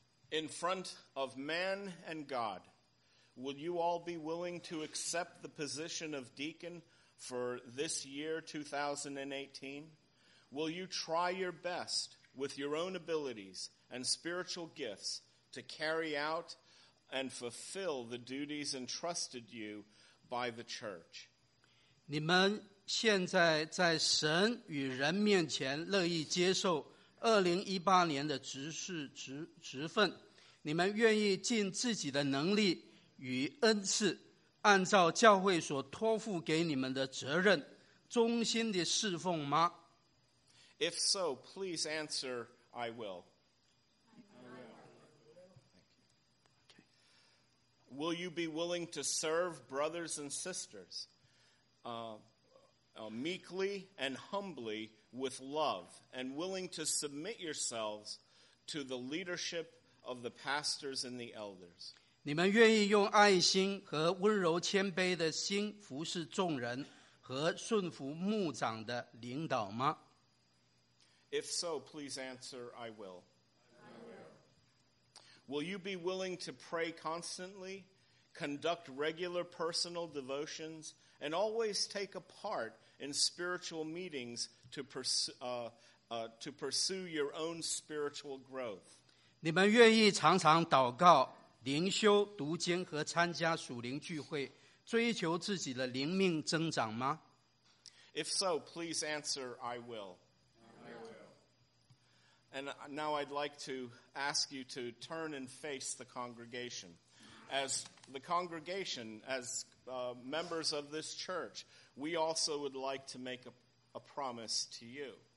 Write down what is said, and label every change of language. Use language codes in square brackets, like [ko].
[en] In front of man and God, will you all be willing to accept the position of deacon for this year 2018? Will you try your best with your own abilities and spiritual gifts to carry out and fulfill the duties entrusted you by the church? [zh] 你们现在在神与人面前乐意接受2018年的执事职分，你们愿意尽自己的能力与恩赐，按照教会所托付给你们的责任，忠心地侍奉吗 [en] ？If so, please answer, I will. Will you be willing to serve brothers and sisters? Meekly and humbly with love and willing to submit yourselves to the leadership of the pastors and the elders. [zh] 你们愿意用爱心和温柔谦卑的心服侍众人和顺服牧长的领导吗？ [en] If so, please answer, I will. Will you be willing to pray constantly, conduct regular personal devotions, and always take a part in spiritual meetings to pursue your own spiritual growth. [zh] 你们愿意常常祷告、灵修、读经和参加属灵聚会，追求自己的灵命增长吗？ [en] If so, please answer, I will. I will. And now I'd like to ask you to turn and face the congregation. As the congregation, as members of this church, we also would like to make a promise to you.